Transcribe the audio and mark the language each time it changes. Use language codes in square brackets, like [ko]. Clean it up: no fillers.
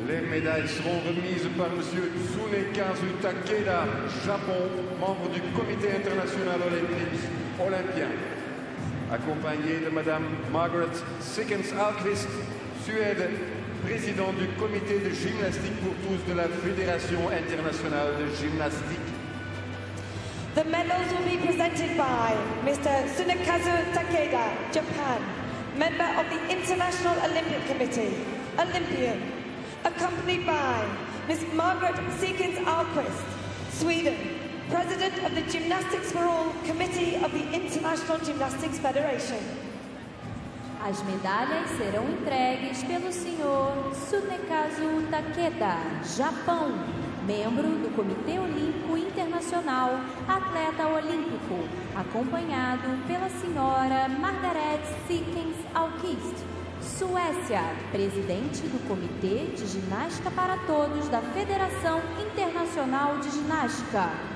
[fr] Médailles seront remises par M. Tsunekazu Takeda, Japon, membre du Comité international olympique olympien, accompagné de Mme Margaret Sickens-Alquist, Suède, présidente du Comité de gymnastique pour tous de la Fédération internationale de gymnastique. [en] The medals will be presented by Mr. Tsunekazu Takeda, Japan, member of the International Olympic Committee, Olympian, accompanied by Ms. Margaret Sickens-Alquist, Sweden, President of the Gymnastics for All Committee of the International Gymnastics Federation. [pt] As medalhas serão entregues pelo Sr. Tsunekazu Takeda, Japão, membro do Comitê Olímpico Internacional, atleta olímpico, acompanhado pela Sra. Margaret Sickens-Alquist, Suécia, presidente do Comitê de Ginástica para Todos da Federação Internacional de Ginástica.